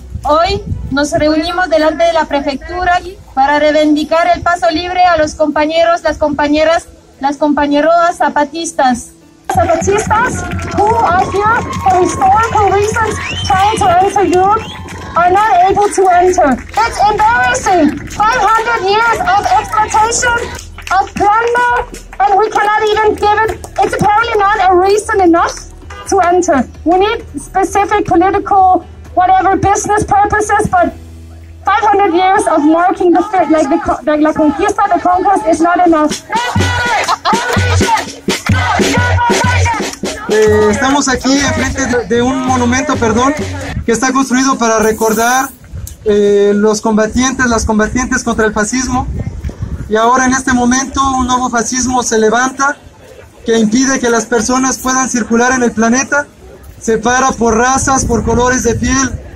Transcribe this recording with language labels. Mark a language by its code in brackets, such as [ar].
[es] Hoy nos reunimos delante de la prefectura para reivindicar el paso libre a los compañeros, las compañeras, las compañeroas zapatistas. [en] Zapatistas who are here for historical reasons trying to enter Europe are not able to enter. It's embarrassing. 500 years of exploitation, of plunder, and we cannot even give it. It's apparently not a reason enough to enter. We need specific political, whatever, business purposes, but 500 years of marking the fit, like the like la conquista, the conquest, is not enough. [es] Estamos aquí enfrente de un monumento, perdón, que está construido para recordar los combatientes, las combatientes contra el fascismo. Y ahora en este momento un nuevo fascismo se levanta que impide que las personas puedan circular en el planeta, separa por razas, por colores de piel.